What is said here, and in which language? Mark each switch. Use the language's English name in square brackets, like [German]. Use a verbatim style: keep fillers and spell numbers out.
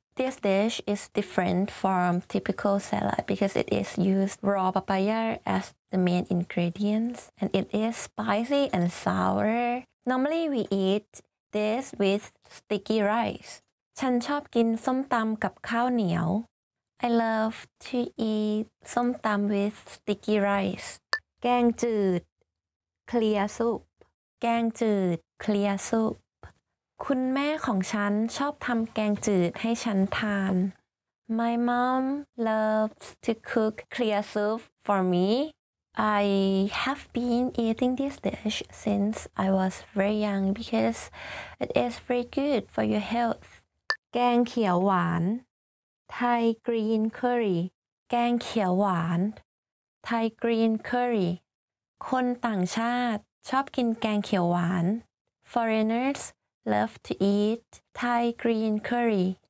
[English] This dish is different from typical salad because it is used raw papaya as the main ingredients and it is spicy and sour. Normally we eat this with sticky rice. [Thai] ฉันชอบกินส้มตำกับข้าวเหนียว [English] I love to eat ส้มตำ with sticky rice. แกงจืด clear soup. แกงจืด clear soup. [Thai] คุณแม่ของฉันชอบทำแกงจืดให้ฉันทาน [English] My mom loves to cook clear soup for me. I have been eating this dish since I was very young because it is very good for your health. แกงเขียวหวาน Thai green curry. แกงเขียวหวาน Thai green curry. [Thai] คนต่างชาติชอบกินแกงเขียวหวาน [English] Foreigners love to eat Thai green curry.